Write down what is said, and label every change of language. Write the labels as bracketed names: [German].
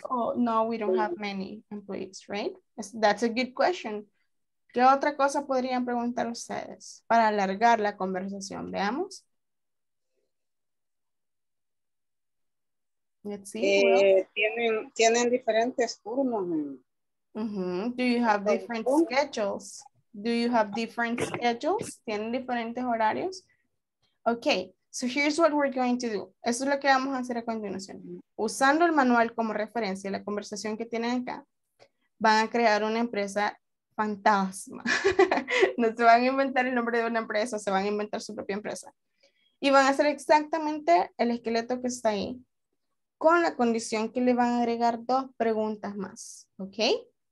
[English] Oh, no, we don't have many employees, right? That's a good question. [Spanish] ¿Qué otra cosa podrían preguntar ustedes para alargar la conversación? Veamos. [English] Let's see. [Spanish] Tienen diferentes turnos. [English] Mm-hmm. Do you have different schedules? Do you have different schedules? [Spanish] ¿Tienen diferentes horarios? [English] Okay, so here's what we're going to do. [Spanish] Eso es lo que vamos a hacer a continuación. Usando el manual como referencia, la conversación que tienen acá, van a crear una empresa fantasma. No se van a inventar el nombre de una empresa, se van a inventar su propia empresa. Y van a hacer exactamente el esqueleto que está ahí, con la condición que le van a agregar dos preguntas más, ¿ok?